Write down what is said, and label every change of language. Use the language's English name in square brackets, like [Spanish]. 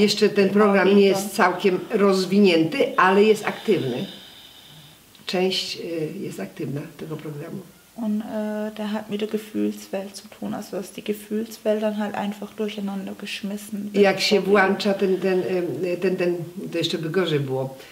[Polish] Jeszcze ten program nie jest całkiem rozwinięty, ale jest aktywny. Część jest aktywna tego programu. [German] Und der hat mit der Gefühlswelt zu tun, also dass die Gefühlswelt dann halt einfach durcheinander geschmissen wird. [Polish] Jak się włącza ten, to jeszcze by gorzej było.